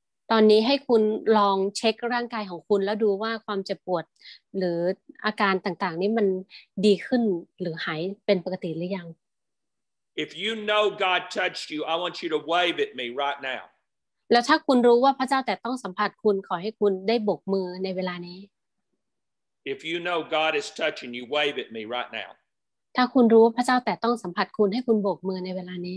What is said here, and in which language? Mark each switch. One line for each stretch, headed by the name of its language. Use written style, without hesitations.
Thai: ตอนนี้ให้คุณลองเช็คร่างกายของคุณแล้วดูว่าความเจ็บปวดหรืออาการต่างๆนี้มันดีขึ้นหรือหายเป็นปกติหรือยัง
English: If you know God touched you, I want you to wave at me right now.
Thai: แล้วถ้าคุณรู้ว่าพระเจ้าแต่ต้องสัมผัสคุณขอให้คุณได้โบกมือในเวลานี้
English: If you know God is touching you, wave at me right now.
Thai: ถ้าคุณรู้ว่าพระเจ้าแต่ต้องสัมผัสคุณให้คุณโบกมือในเวลานี